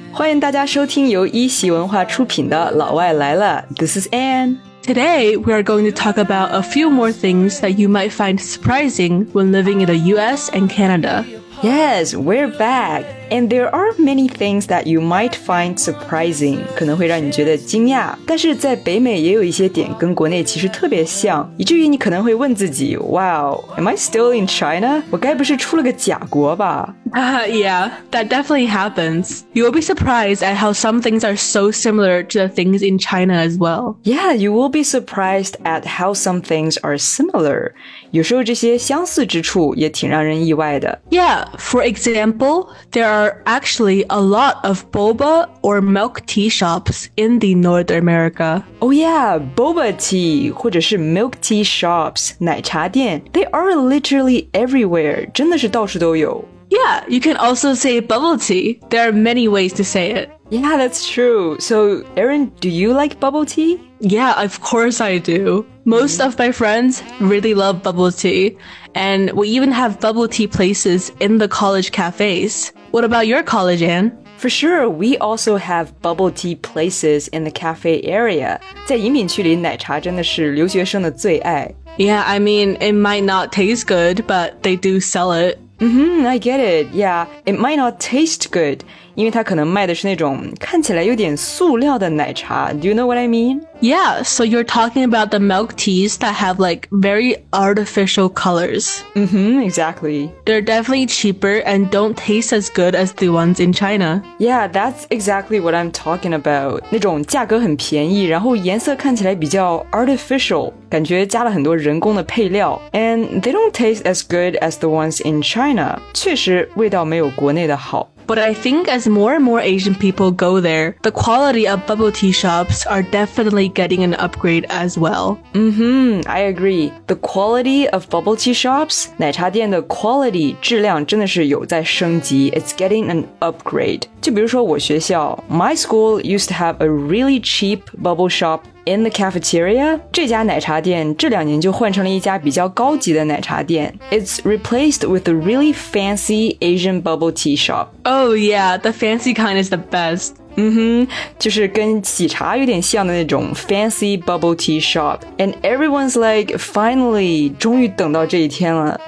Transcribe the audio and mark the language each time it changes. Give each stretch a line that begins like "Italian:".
Chinese: 欢迎大家收听由一席文化出品的《老外来了》。
English: This is Anne. Today, we are going to talk about a few more things that you might find surprising when living in the U.S. and Canada. Yes, we're back. And there are many things that you might find surprising.
Chinese: 可能会让你觉得惊讶。但是在北美也有一些点跟国内其实特别像。以至于你可能会问自己
English: Wow, am I still in China?
Chinese: 我该不是出了个假国吧、
English: Yeah, that definitely happens. You will be surprised at how some things are so similar to the things in China as well. Yeah, you will be surprised at how some things are similar.
Chinese: 有时候这些相似之处也挺让人意外的。
English: Yeah, for example, there are actually a lot of boba or milk tea shops in the North America. Oh yeah, boba tea,
Chinese: 或者是
English: milk tea shops,
Chinese: 奶茶店
English: they are literally everywhere,
Chinese: 真的是到处都有。
English: Yeah, you can also say bubble tea. There are many ways to say it. Yeah, that's true. So, Erin, do you like bubble tea? Yeah, of course I do. Most of my friends really love bubble tea. And we even have bubble tea places in the college cafes. What about your college, Anne? For sure, we also have bubble tea places in the cafe area.
Chinese: 在饮品区里奶茶真的是留学生的最爱。
English: Yeah, I mean, it might not taste good, but they do sell it. Mm-hmm, I get it. Yeah, it might not taste good,
Chinese: 因为它可能卖的是那种看起来有点塑料的奶茶。
English: Do you know what I mean? Yeah, so you're talking about the milk teas that have like very artificial colors. Mm-hmm, exactly. They're definitely cheaper and don't taste as good as the ones in China. Yeah, that's exactly what I'm talking about.
Chinese: 那种价格很便宜，然后颜色看起来比较 artificial, 感觉加了很多人工的配料。
English: And they don't taste as good as the ones in China.
Chinese: 确实味道没有国内的好。
English: But I think as more and more Asian people go there, the quality of bubble tea shops are definitely getting an upgrade as well. Mm-hmm, I agree. The quality of bubble tea shops,
Chinese: 奶茶店的
English: quality,
Chinese: 质量真的是有在升级。
English: It's getting an upgrade.
Chinese: 就比如说我学校
English: my school used to have a really cheap bubble shop in the cafeteria.
Chinese: 这家奶茶店这两年就换成了一家比较高级的奶茶店。
English: It's replaced with a really fancy Asian bubble tea shop. Oh yeah, the fancy kind is the best.
Chinese: Mm-hmm, 就是跟喜茶有点像的那种
English: fancy bubble tea shop. And everyone's like, finally,
Chinese: 终于等到这一天了。